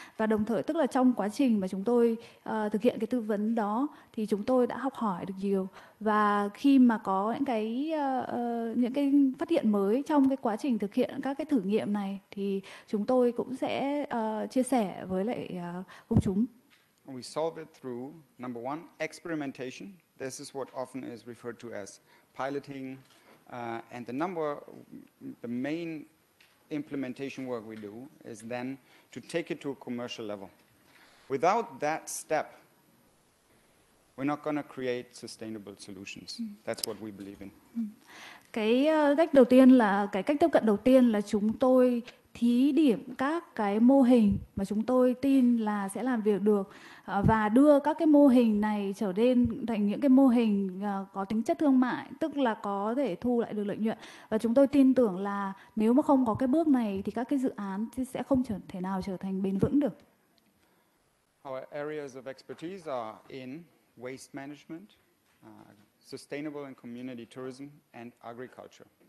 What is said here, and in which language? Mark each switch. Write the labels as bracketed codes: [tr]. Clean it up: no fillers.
[vi] Và đồng thời, tức là trong quá trình mà chúng tôi thực hiện cái tư vấn đó thì chúng tôi đã học hỏi được nhiều, và khi mà có những cái phát hiện mới trong cái quá trình thực hiện các cái thử nghiệm này thì chúng tôi cũng sẽ chia sẻ với lại công chúng. [en] We solve it through number one, experimentation. This is what often is referred to as piloting, and the main implementation work we do is then to take it to a commercial level. Without that step, we're not going to create sustainable solutions. That's what we believe in. [vi] Cái cách đầu tiên là chúng tôi thí điểm các cái mô hình mà chúng tôi tin là sẽ làm việc được và đưa các cái mô hình này trở nên thành những cái mô hình có tính chất thương mại, tức là có thể thu lại được lợi nhuận. Và chúng tôi tin tưởng là nếu mà không có cái bước này thì các cái dự án sẽ không thể nào trở thành bền vững được. [en] Our areas of expertise are in waste management, sustainable and community tourism and agriculture.